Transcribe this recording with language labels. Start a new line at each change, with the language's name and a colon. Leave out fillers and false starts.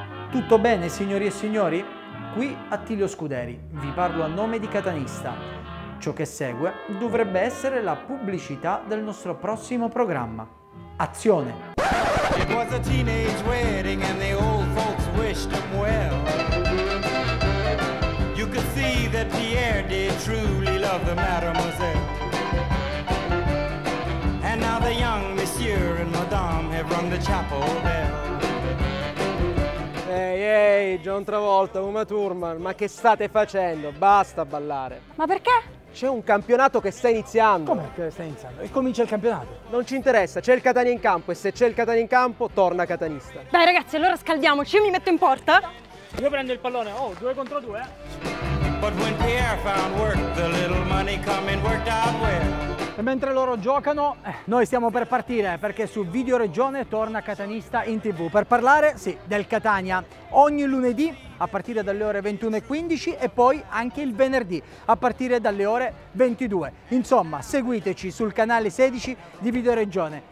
Italian: Tutto bene, signori e signori? Qui Attilio Scuderi, vi parlo a nome di Catanista. Ciò che segue dovrebbe essere la pubblicità del nostro prossimo programma. Azione!
English: It was a teenage wedding and the old folks wished him well. You could see that Pierre did truly love the mademoiselle. And now the young monsieur and madame have rung the chapel bell.
Italian: Ehi, ehi, John Travolta, Uma Thurman, ma che state facendo? Basta ballare. Ma perché? C'è un campionato che sta iniziando. Com'è che sta iniziando? E comincia il campionato? Non ci interessa, c'è il Catania in campo e se c'è il Catania in campo, torna Catanista. Dai ragazzi, allora scaldiamoci, io mi metto in porta. Io prendo il pallone, oh, 2 contro 2.
English: But when Pierre found work, the little money coming worked out well.
Italian: E mentre loro giocano, noi stiamo per partire, perché su Video Regione torna Catanista in TV per parlare, sì, del Catania. Ogni lunedì a partire dalle ore 21:15 e poi anche il venerdì a partire dalle ore 22. Insomma, seguiteci sul canale 16 di Video Regione.